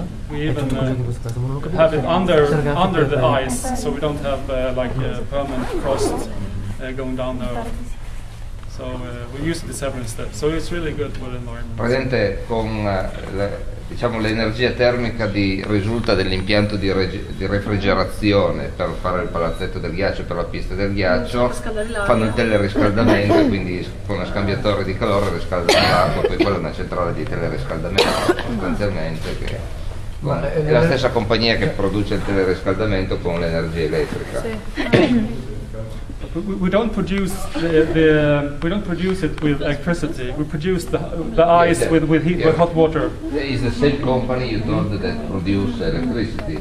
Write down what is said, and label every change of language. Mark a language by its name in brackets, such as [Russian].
[English] We even have it under the ice, so we don't have permanent frost going down there. So we use the several steps. So it's really good for the environment. [Italian] Presente con l'energia termica di risulta dell'impianto di refrigerazione per fare il palazzetto del ghiaccio, per la pista del ghiaccio, fanno il teleriscaldamento, quindi con uno scambiatore di calore riscaldano l'acqua, poi quella è una centrale di teleriscaldamento sostanzialmente, che è la stessa compagnia che produce il teleriscaldamento con l'energia elettrica. [English] We don't produce we don't produce it with electricity. We produce the ice with hot water. Yeah, it's the same company you told that produce electricity.